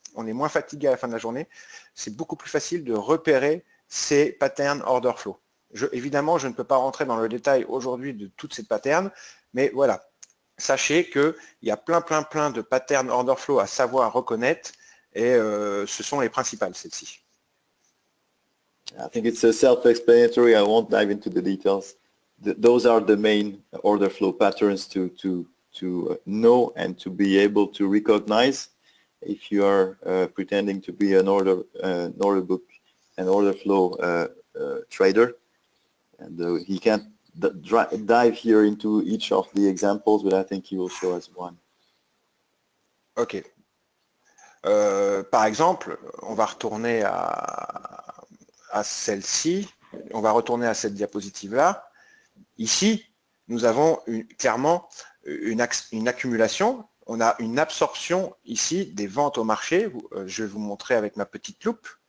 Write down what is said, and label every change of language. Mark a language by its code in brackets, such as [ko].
[fr] On est moins fatigué à la fin de la journée. C'est beaucoup plus facile de repérer ces patterns order flow. Évidemment, je ne peux pas rentrer dans le détail aujourd'hui de toutes ces patterns, mais voilà. Sachez qu'il y a plein de patterns order flow à savoir reconnaître et ce sont les principales, celles-ci. [en] I think it's a self-explanatory. I won't dive into the details. Those are the main order flow patterns to know and to be able to recognize if you are pretending to be an order flow trader. And he can't dive here into each of the examples, but I think he will show us one. Okay. [fr] Par exemple, on va retourner à celle-ci, on va retourner à cette diapositive-là. Ici, nous avons clairement une accumulation. On a une absorption ici des ventes au marché. Je vais vous montrer avec ma petite loupe.